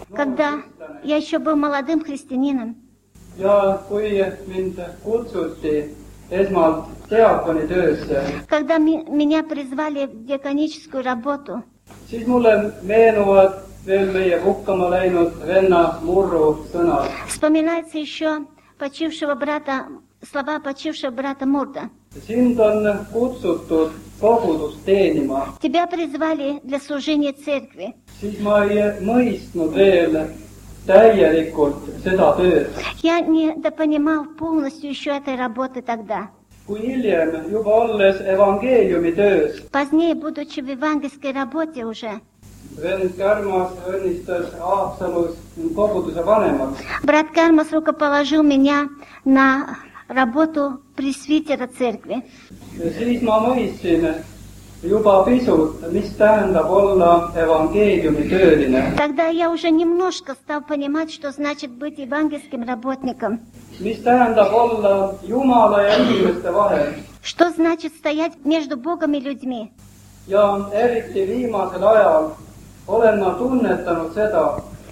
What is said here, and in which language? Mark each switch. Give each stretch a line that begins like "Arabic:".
Russian: Когда я еще был молодым христианином.
Estonian: Ja kui mind kutsuti esmalt diakoni töösse.
Russian: Когда меня призвали в диаконическую работу.
Estonian: Siis mulle meenuvad veel meie hukkama läinud venna Murru sõna.
Russian: Вспоминается еще почившего брата, слова почившего брата Мурда.
Estonian: Sind on kutsutud kogudus teenima.
Russian: Тебя призвали для служения церкви.
Estonian: Siis ma ei mõistnud veel täielikult seda tööd.
Russian: Я недопонимал полностью еще этой работы тогда.
Estonian: Kui hiljem juba olles evangeeliumi töös.
Russian: Позднее, будучи в евангельской работе уже.
Estonian: Vend Kärmas õnnistas Aapsalus koguduse vanemaks.
Russian: Брат Кармас рукоположил меня на работу пресвитера церкви.
Estonian: Siis ma mõistsin juba pisut, mis tähendab olla evangeeliumi tööline.
Russian: Тогда я уже немножко стал понимать, что значит быть евангельским работником.
Estonian: Mis tähendab olla Jumala ja inimeste vahel.
Russian: Что значит стоять между Богом и людьми.
Estonian: Ja eriti viimasel ajal olen ma tunnetanud seda.